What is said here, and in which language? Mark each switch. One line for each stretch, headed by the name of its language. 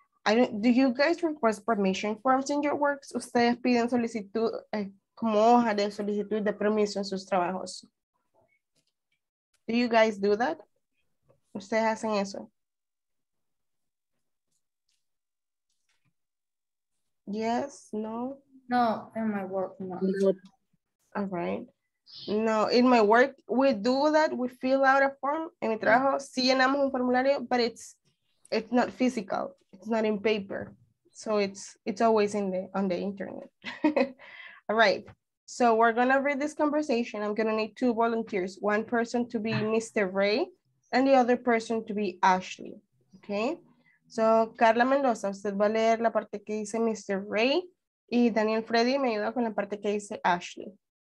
English: Do you guys request permission forms in your works?
Spanish: Ustedes piden solicitud, como hoja de solicitud de permiso en sus trabajos.
English: Do you guys do that?
Spanish: Ustedes hacen eso.
English: Yes, no. No, in my work, no. All right. No, in my work, we do that. We fill out a form.
Spanish: En mi trabajo, sí llenamos un formulario,
English: but it's not physical. It's not in paper. So it's always on the internet. All right. So we're going to read this conversation. I'm going to need two volunteers. One person to be Mr. Ray and the other person to be Ashley.
Spanish: Okay. So Carla Mendoza, usted va a leer la parte que dice Mr. Ray. Y Daniel Freddy me ayuda con la parte que dice Ashley.